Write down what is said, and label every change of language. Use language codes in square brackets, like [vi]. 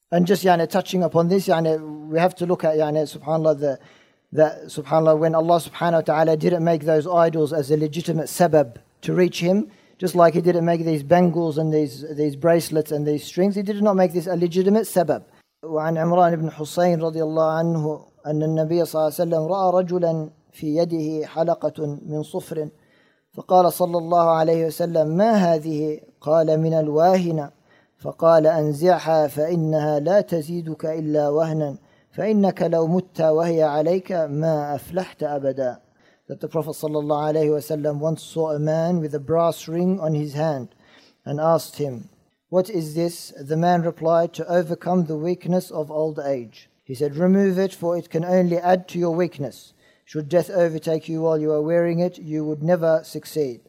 [en] And just touching upon this, we have to look at subhanAllah, subhanAllah, when Allah subhanahu wa ta'ala didn't make those idols as a legitimate sabab to reach him, just like he didn't make these bangles and these bracelets and these strings, he did not make this a legitimate sabab. [ar] وعن عمران بن حسين رضي الله عنه أن النبي صلى الله عليه وسلم رأى رجلا في يده حلقة من صفر فقال صلى الله عليه وسلم ما هذه؟ قال من الواهنة فقال أنزعها فإنها لا تزيدك إلا وهنا فإنك لو مت وهي عليك ما أفلحت أبدا. [en] That the Prophet sallallahu alayhi wa sallam once saw a man with a brass ring on his hand and asked him, what is this? The man replied, to overcome the weakness of old age. He said, remove it, for it can only add to your weakness. Should death overtake you while you are wearing it, you would never succeed.